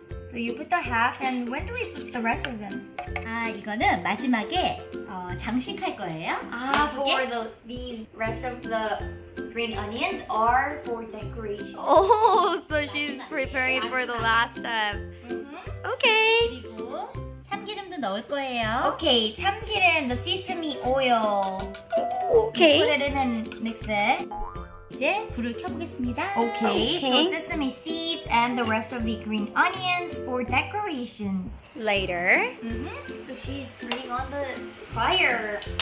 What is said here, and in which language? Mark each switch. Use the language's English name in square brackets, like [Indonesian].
[English] so you put the half, and when do we put the rest of them? [Korean] Ah, 이거는 마지막에 장식할 거예요. [English] Ah, for the these rest of the green onions are for decoration. Oh, so she's preparing for the last step. Mm-hmm. Okay. [Korean] 그리고 참기름도 넣을 거예요. [English] Okay, 참기름, the sesame oil. Okay. You put it in and mix it. [Korean] 이제 불을 켜보겠습니다. [English] Okay, so sesame seeds and the rest of the green onions for decorations. Later. Mm-hmm. So she's turning on the fire.